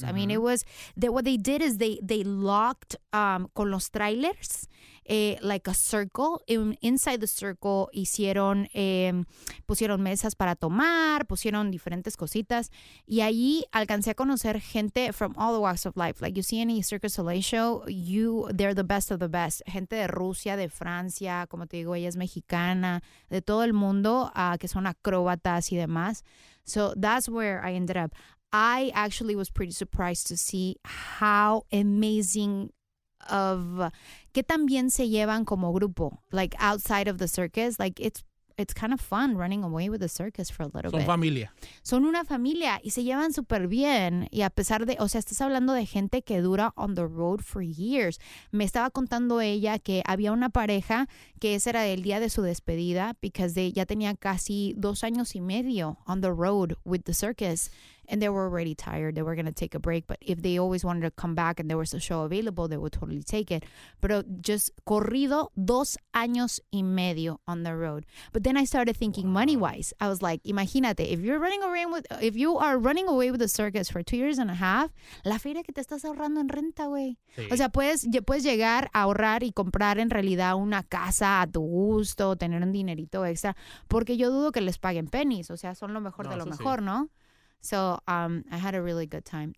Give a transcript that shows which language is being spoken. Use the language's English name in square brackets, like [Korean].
[English] Mm-hmm. I mean, it was, that what they did is they locked [Spanish] con los trailers. [English] Like a circle, inside the circle [Spanish] hicieron, pusieron mesas para tomar, pusieron diferentes cositas, y ahí alcancé a conocer gente [English] from all the walks of life. Like, you see any Cirque du Soleil show, you, they're the best of the best. [Spanish] Gente de Rusia, de Francia, como te digo, ella es mexicana, de todo el mundo, que son acróbatas y demás. [English] So that's where I ended up. I actually was pretty surprised to see how amazing of [Spanish] que también se llevan como grupo, [English] like outside of the circus, like it's kind of fun running away with the circus for a little bit. [Spanish] Son una familia y se llevan súper bien, y a pesar de, o sea, estás hablando de gente que dura [English] on the road for years. [Spanish] Me estaba contando ella que había una pareja que ese era el día de su despedida, [English] because they [Spanish] ya tenía casi 2 años y medio [English] on the road with the circus. And they were already tired. They were going to take a break. But if they always wanted to come back and there was a show available, they would totally take it. [Spanish] Pero [English] just [Spanish] corrido 2 años y medio [English] on the road. But then I started thinking money-wise. I was like, [Spanish] imagínate, [English] if you are running away with the circus for 2.5 years, [Spanish] la feria que te estás ahorrando en renta, güey. Sí. O sea, puedes llegar a ahorrar y comprar en realidad una casa a tu gusto, tener un dinerito extra. Porque yo dudo que les paguen pennies. O sea, son lo mejor ¿no? [English] So I had a really good time.